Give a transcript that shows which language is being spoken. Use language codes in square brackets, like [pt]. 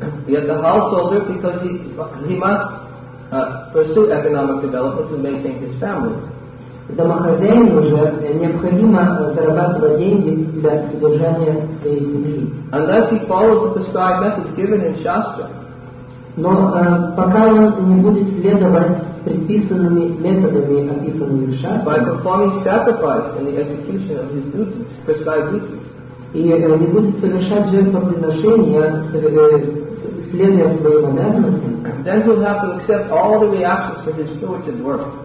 [en] Yet the householder, because he must pursue economic development to maintain his family. [ru] Домохозяину уже необходимо зарабатывать деньги для содержания своей семьи. [en] Unless he follows the prescribed methods given in Shastra. [ru] Но пока он не будет следовать предписанными методами, описанными в Шастре. [en] By performing sacrifice and the execution of his duties, prescribed duties. [ru] И не будет совершать жертвоприношения, следуя своим обязанностям. [en] Then he'll have to accept all the reactions for his spiritual work.